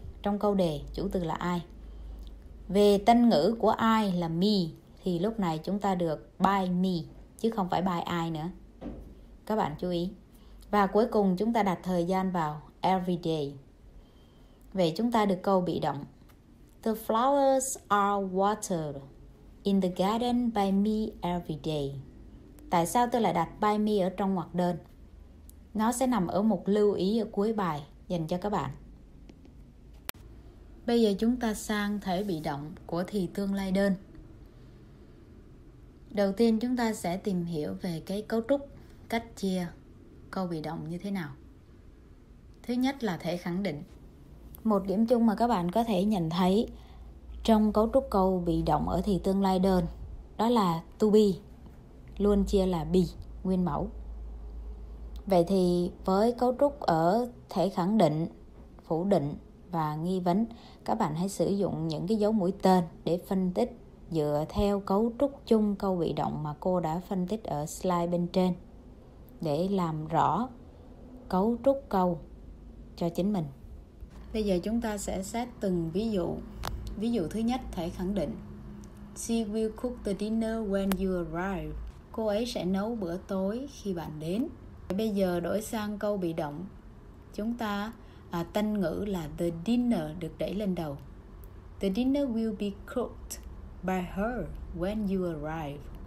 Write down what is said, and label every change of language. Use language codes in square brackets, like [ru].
[vi] Trong câu đề chủ từ là ai? Về tân ngữ của ai là me thì lúc này chúng ta được by me chứ không phải by ai nữa. Các bạn chú ý. Và cuối cùng chúng ta đặt thời gian vào every day. Vậy chúng ta được câu bị động. [en] The flowers are watered in the garden by me every day. [vi] Tại sao tôi lại đặt by me ở trong ngoặc đơn? Nó sẽ nằm ở một lưu ý ở cuối bài dành cho các bạn. Bây giờ chúng ta sang thể bị động của thì tương lai đơn. Đầu tiên chúng ta sẽ tìm hiểu về cái cấu trúc, cách chia câu bị động như thế nào. Thứ nhất là thể khẳng định. Một điểm chung mà các bạn có thể nhận thấy trong cấu trúc câu bị động ở thì tương lai đơn đó là to be, luôn chia là be, nguyên mẫu. Vậy thì với cấu trúc ở thể khẳng định, phủ định và nghi vấn, các bạn hãy sử dụng những cái dấu mũi tên để phân tích dựa theo cấu trúc chung câu bị động mà cô đã phân tích ở slide bên trên để làm rõ cấu trúc câu cho chính mình. Bây giờ chúng ta sẽ xét từng ví dụ. Ví dụ thứ nhất, thể khẳng định. [en] She will cook the dinner when you arrive. [vi] Cô ấy sẽ nấu bữa tối khi bạn đến. Bây giờ đổi sang câu bị động. Chúng ta tân ngữ là the dinner được đẩy lên đầu. [en] The dinner will be cooked by her when you arrive.